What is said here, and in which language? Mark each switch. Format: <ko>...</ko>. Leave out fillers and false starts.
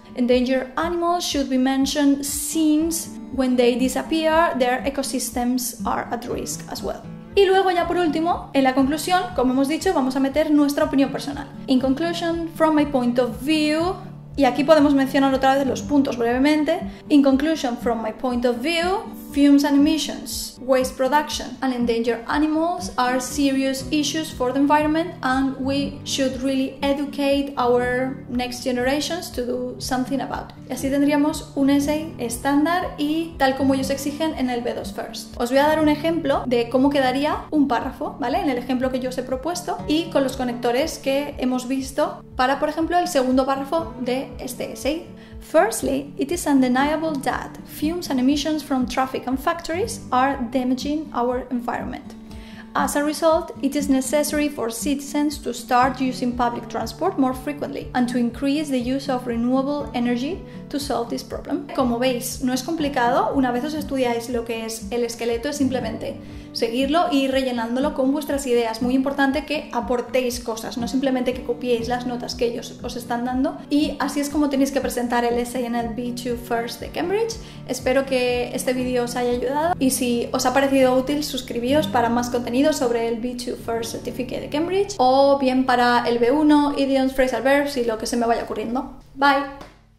<en>Endangered animals should be mentioned since when they disappear, their ecosystems are at risk as well.</en> <es>Y luego ya por último, en la conclusión, como hemos dicho, vamos a meter nuestra opinión personal.</es> <en>In conclusion, from my point of view,</en> <es>y aquí podemos mencionar otra vez los puntos brevemente.</es> <en>In conclusion, from my point of view, fumes and emissions, waste production, and endangered animals are serious issues for the environment, and we should really educate our next generations to do something about it.</en> <es>Y así tendríamos un essay estándar y tal como ellos exigen en el B2 First. Os voy a dar un ejemplo de cómo quedaría un párrafo, ¿vale? En el ejemplo que yo os he propuesto y con los conectores que hemos visto para, por ejemplo, el segundo párrafo de este essay.</es> <en>Firstly, it is undeniable that fumes and emissions from traffic and factories are damaging our environment. As a result, it is necessary for citizens to start using public transport more frequently and to increase the use of renewable energy to solve this problem.</en> <es>Como veis, no es complicado. Una vez os estudiáis lo que es el esqueleto, es simplemente seguirlo y ir rellenándolo con vuestras ideas. Muy importante que aportéis cosas, no simplemente que copiéis las notas que ellos os están dando. Y así es como tenéis que presentar el essay en el B2 First de Cambridge. Espero que este vídeo os haya ayudado y si os ha parecido útil, suscribíos para más contenido sobre el B2 First Certificate de Cambridge o bien para el B1, Idioms, Phrasal Verbs y lo que se me vaya ocurriendo. ¡Bye!</es>